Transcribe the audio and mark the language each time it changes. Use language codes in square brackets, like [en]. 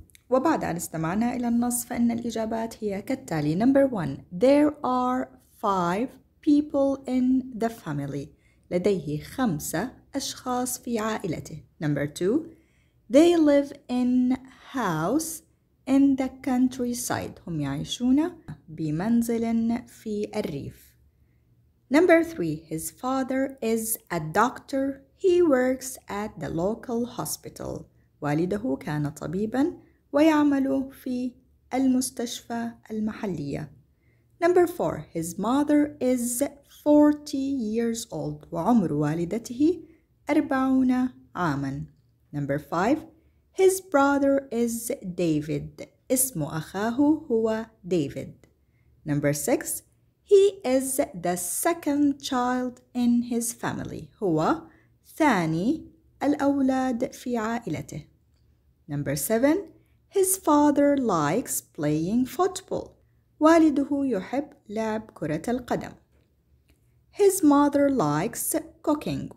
[ar] وبعد أن استمعنا إلى النص، فإن الإجابات هي كالتالي. [en] Number one, there are 5 people in the family. [ar] لديه 5 أشخاص في عائلته. [en] Number two, they live in house in the countryside. [ar] هم يعيشون بمنزل في الريف. [en] Number three, his father is a doctor. He works at the local hospital. [ar] والده كان طبيباً ويعمل في المستشفى المحلية. [en] Number 4. His mother is 40 years old. [ar] وعمر والدته 40 عاما. [en] Number 5. His brother is David. [ar] اسم أخاه هو [en] David. Number 6. He is the 2nd child in his family. [ar] هو ثاني الأولاد في عائلته. [en] Number 7. His father likes playing football. [ar] والده يحب لعب كرة القدم. [en] His mother likes cooking.